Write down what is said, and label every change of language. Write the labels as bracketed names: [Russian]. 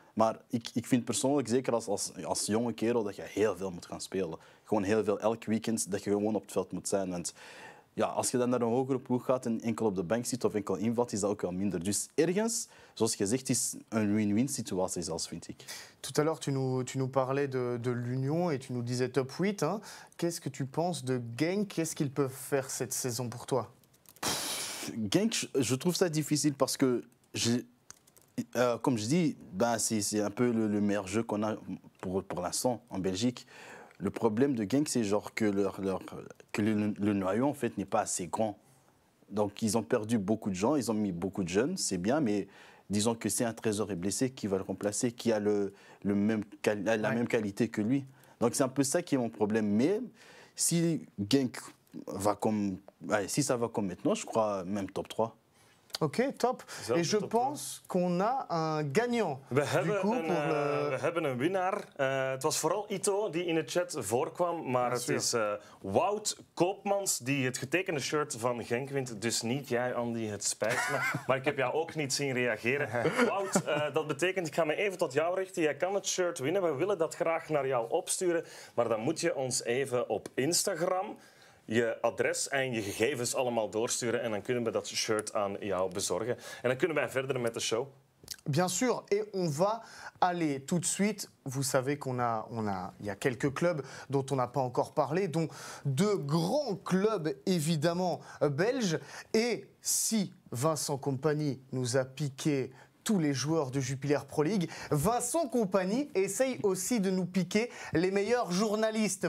[Dutch] Maar ik vind persoonlijk, zeker als jonge kerel, dat je heel veel moet gaan spelen. Gewoon heel veel, elk weekend, dat je gewoon op het veld moet zijn. Want ja, als je dan naar een hogere ploeg gaat en enkel op de bank zit of enkel invalt, is dat ook wel minder. Dus ergens, zoals je zegt, is een win-win situatie zelfs, vind ik. [French] Tout à l'heure, tu nous parlais de l'Union et tu nous disais top 8. Hein. Qu'est-ce que tu penses de Genk? Qu'est-ce qu'ils peuvent faire cette saison pour toi? Genk, je trouve ça difficile parce que, comme je dis, ben, c'est un peu le meilleur jeu qu'on a pour l'instant en Belgique. Le problème de Genk, c'est genre que le noyau en fait n'est pas assez grand. Donc ils ont perdu beaucoup de gens, ils ont mis beaucoup de jeunes, c'est bien, mais disons que c'est un trésor est blessé qui va le remplacer, qui a même qualité que lui. Donc c'est un peu ça qui est mon problème. Mais si Genk va comme maintenant, je crois même top 3. Ok, top. Et je pense qu'on a un gagnant. [Dutch] We hebben een winnaar. Het was vooral Ito die in de chat voorkwam. Maar het is Wout Koopmans die het getekende shirt van Genk wint. Dus niet jij, Andy. Het spijt me. Maar ik heb jou ook niet zien reageren. Wout, dat betekent, ik ga me even tot jou richten. Jij kan het shirt winnen. We willen dat graag naar jou opsturen. Maar dan moet je ons even op Instagram je adres en je gegevens allemaal doorsturen en dan kunnen we dat shirt aan jou bezorgen. En dan kunnen wij verder met de show. [French] Bien sûr, et on va aller tout de suite. Vous savez qu'on a, il y a quelques clubs dont on n'a pas encore parlé, dont de grands clubs évidemment belges. Et si Vincent Kompany nous a piqué tous les joueurs de Jupiler Pro League, Vincent Kompany essaye aussi de nous piquer les meilleurs journalistes.